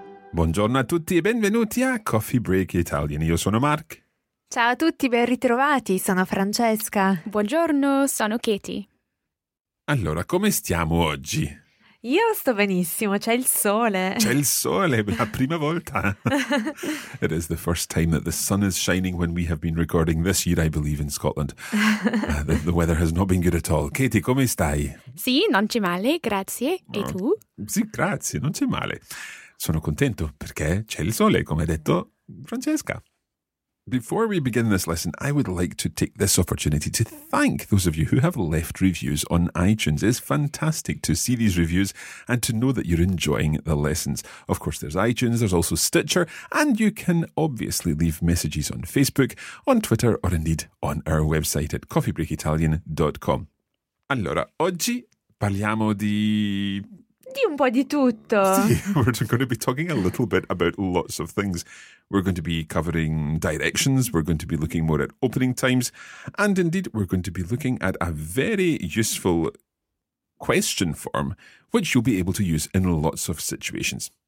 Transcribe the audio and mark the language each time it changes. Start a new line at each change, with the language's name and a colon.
Italian: Buongiorno a tutti e benvenuti a Coffee Break Italian. Io sono Mark. Ciao a tutti, ben ritrovati. Sono Francesca. Buongiorno, sono Katie. Allora, come stiamo oggi? Io sto benissimo, c'è il sole. C'è il sole, la prima volta.
English: It is the first time that the sun is shining when we have been recording this year, I believe, in Scotland. The weather has not been good at all.
Italian: Katie, come stai? Sì, non c'è male, grazie. E tu? Sì, grazie, non c'è male. Sono contento perché c'è il sole, come ha detto Francesca.
English: Before we begin this lesson, I would like to take this opportunity to thank those of you who have left reviews on iTunes. It's fantastic to see these reviews and to know that you're enjoying the lessons. Of course, there's iTunes, there's also Stitcher, and you can obviously leave messages on Facebook, on Twitter, or indeed on our website at coffeebreakitalian.com.
Italian: Allora, oggi parliamo di... Di un po' di tutto.
English: See, we're going to be talking a little bit about lots of things. We're going to be covering directions. We're going to be looking more at opening times. And indeed, we're going to be looking at a very useful question form, which you'll be able to use in lots of situations.